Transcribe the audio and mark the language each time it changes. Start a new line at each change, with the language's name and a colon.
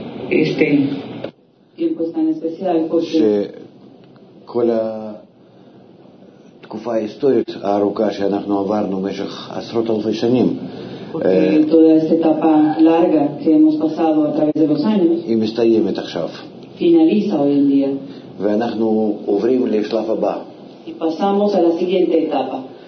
Spanish: Este tiempo es tan especial porque con la
Hebrew: תקופה היסטורית הארוכה שאנחנו עברנו במשך עשרות אלפי שנים.
Spanish: Toda esta etapa larga que hemos pasado a través de los años.
Hebrew: היא מסתיימת עכשיו.
Spanish: Finaliza hoy en día.
Hebrew: ואנחנו עוברים לשלב הבא.
Spanish: Y pasamos a la siguiente etapa.